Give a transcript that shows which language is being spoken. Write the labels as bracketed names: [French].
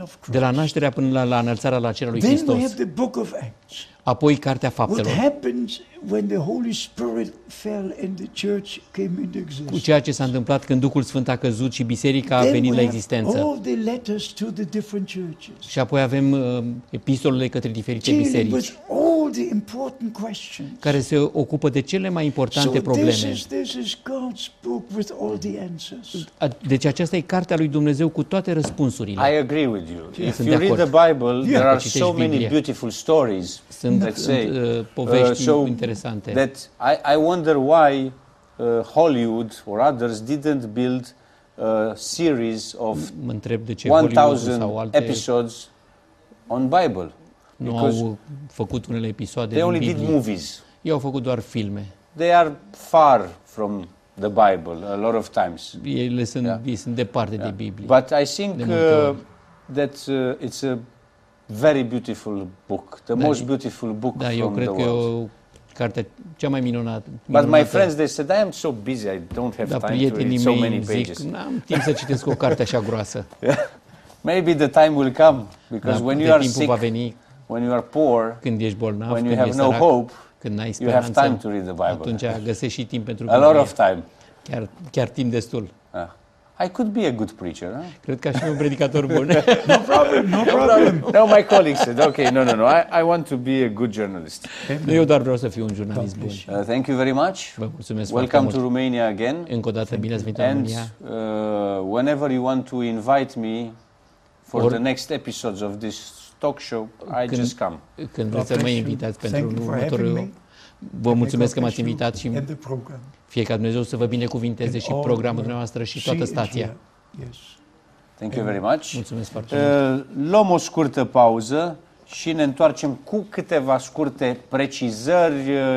[Romanian] De la nașterea până la înălțarea la cerul lui Hristos. Apoi cartea faptelor. [English] What happened when the Holy Spirit fell and the church came into existence? [Romanian] Cu ceea ce s-a întâmplat când Duhul Sfânt a căzut și biserica a venit la existență. [English] All the letters to the different churches. [Romanian] Și apoi avem epistolele către diferite biserici. [English] Dealing with all the important questions. [Romanian] Care se ocupă de cele mai importante probleme. [English] So this is God's book with all the answers. [Romanian] Deci aceasta e cartea lui Dumnezeu cu toate răspunsurile. [English] I agree with you. If you read the Bible, there are so many beautiful stories. [Romanian] Sunt povești interesante. [English] That I wonder why Hollywood or others didn't build a series of 1000 episodes on Bible. [Romanian] Nu au făcut unele episoade din Biblie. [English] They only did movies. [Romanian] Ei au făcut doar filme. [English] They are far from the Bible a lot of times. [Romanian] Ei sunt departe de Biblie. [English] But I think that it's a very beautiful book, the most beautiful book from the world. [Romanian] Da, eu cred că e o carte cea mai minunată. [English] But my friends, they said, I am so busy, I don't have time to read so many pages. [Romanian] Da, prietenii mei zic, n-am timp să citesc o carte așa groasă. [English] Maybe the time will come, because when you are sick, when you are poor, [Romanian] când ești bolnav, [English] when you have no hope, [Romanian] când n-ai speranță, [English] you have time to read the Bible. [Romanian] Atunci găsești și timp pentru [English] Biblie. A lot of time. [Romanian] Chiar timp destul. [English] I could be a good preacher, huh? [Romanian] Cred că aș fi un predicator bun. [English] No problem. No, my colleagues said, okay, no. I want to be a good journalist. [Romanian] Eu doar vreau să fiu un jurnalist bun. [English] Thank you very much. [Romanian] Vă mulțumesc. [English] Welcome to Romania again. [Romanian] Încă o dată, bine ați venit în România. [English] And whenever you want to invite me for the next episodes of this talk show, I just come. [Romanian] Când vreți să mă invitați pentru următorul... Vă mulțumesc că m-ați invitat și fie ca Dumnezeu să vă binecuvinteze și programul dumneavoastră și toată stația. [English] Thank you very much. [Romanian] Mulțumesc foarte mult. Luăm o scurtă pauză și ne întoarcem cu câteva scurte precizări.